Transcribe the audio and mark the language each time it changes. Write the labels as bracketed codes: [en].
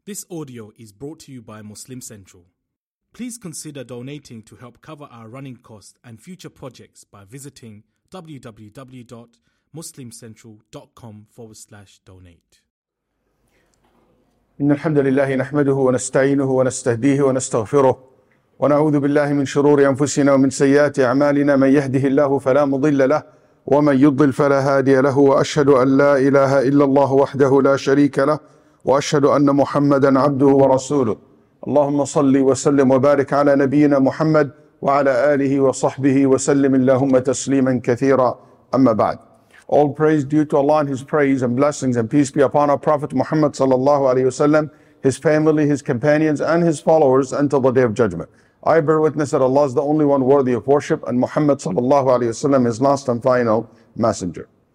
[en] This audio is brought to you by Muslim Central. Please consider donating to help cover our running costs and future projects by visiting www.muslimcentral.com/donate. [ar] إن الحمد لله نحمده ونستعينه ونستهديه ونستغفره ونعوذ بالله من شرور أنفسنا ومن سيئات أعمالنا من يهده الله فلا مضل له ومن يضل فلا هادي له وأشهد أن لا إله إلا الله وحده لا شريك له وأشهد أن محمدًا عبده ورسوله اللهم صلِّ وسلِّم وبارِك على نبينا محمد وعلى آله وصحبه وسلِّم اللهم تسليمًا كثيرًا أما بعد. [en] All praise due to Allah and His praise and blessings and peace be upon our Prophet Muhammad sallallahu alayhi wasallam, his family, his companions and his followers until the Day of Judgment. I bear witness that Allah is the only one worthy of worship and Muhammad sallallahu alayhi wasallam is last and final messenger.